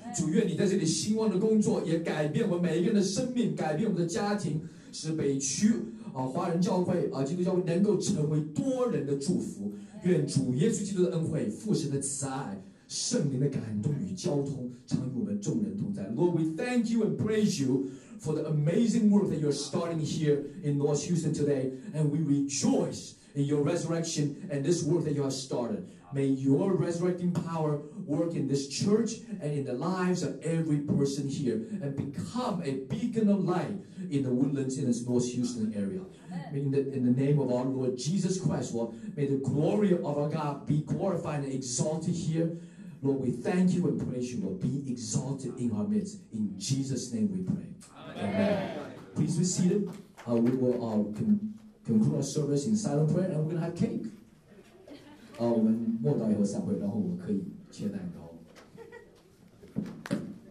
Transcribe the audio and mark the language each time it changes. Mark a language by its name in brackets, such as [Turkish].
[Chinese] 主，愿你在这里兴旺的工作也改变我们每一个人的生命，改变我们的家庭，使北区华人教会基督教会能够成为多人的祝福。愿主耶稣基督的恩惠、父神的慈爱、圣灵的感动与交通常与我们众人同在。 [English] Lord, we thank you and praise youFor the amazing work that you're starting here in North Houston today, and we rejoice in your resurrection and this work that you have started. May your resurrecting power work in this church and in the lives of every person here, and become a beacon of light in the Woodlands in this North Houston area. In the name of our Lord Jesus Christ, Lord, may the glory of our God be glorified and exalted here. Lord, we thank you and praise you, Lord. Be exalted in our midst. In Jesus' name we pray. Amen. Please be seated. We will conclude our service in silent prayer, and we're going to have cake. [Chinese] 我们默祷以后散会，然后我们可以切蛋糕。